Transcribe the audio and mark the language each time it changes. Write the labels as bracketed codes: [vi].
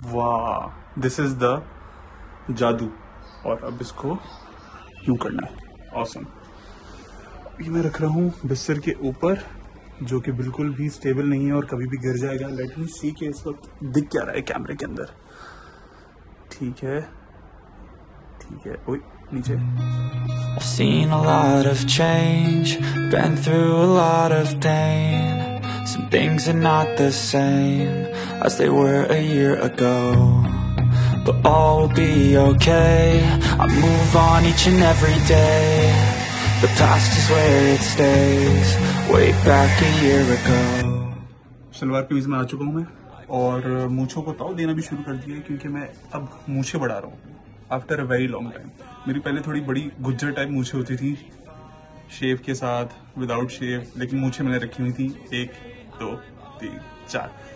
[hi] वाह, [en] this is the [hi] जादू, और अब इसको यूं करना है। ऑसम, ये मैं रख रहा हूँ बिस्तर के ऊपर जो कि बिल्कुल भी स्टेबल नहीं है और कभी भी गिर जाएगा। [en] let me see [hi] के इस वक्त दिख क्या रहा है कैमरे के अंदर। ठीक है, ठीक है, ओए नीचे। [en] I've seen a lot of change, been through a lot of pain. Some things are not the same as they were a year ago. But all will be okay, I move on each and every day. The past is where it stays, way back a year ago. [hi] Salwar kameez में आ चुका हूँ मैं और मूछों को ताव देना भी शुरू कर दिया क्योंकि मैं अब मूछें बढ़ा रहा हूँ [en] After a very long time. [hi] मेरी पहले थोड़ी बड़ी गुज्जर टाइप मूछें होती थी, शेव के साथ [en] without shave, [hi] लेकिन मूछें मैंने रखी हुई थी 1 2 3 4,